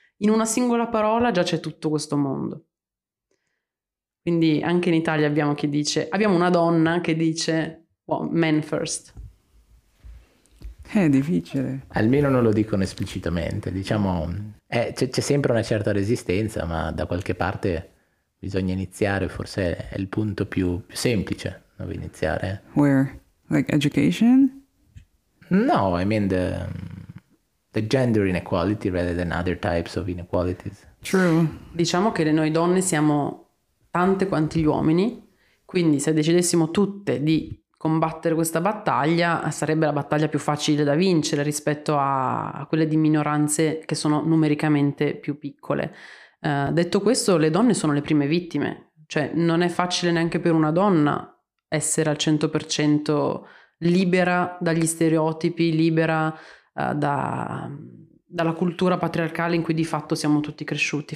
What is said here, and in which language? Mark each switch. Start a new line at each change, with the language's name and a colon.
Italian: In una singola parola già c'è tutto questo mondo. Quindi anche in Italia abbiamo una donna che dice
English: well, men first.
Italian: È difficile. Almeno non lo dicono esplicitamente, diciamo c'è sempre una certa resistenza, ma da qualche parte... bisogna iniziare, forse è il punto più semplice dove iniziare.
English: Where? Like education? No, I mean the gender inequality rather than other types of inequalities. True.
Italian: Diciamo che noi donne siamo tante quanti gli uomini, quindi se decidessimo tutte di combattere questa battaglia, sarebbe la battaglia più facile da vincere rispetto a quelle di minoranze che sono numericamente più piccole. Detto questo, le donne sono le prime vittime, cioè non è facile neanche per una donna essere al 100% libera dagli stereotipi, libera dalla cultura patriarcale in cui di fatto siamo tutti cresciuti.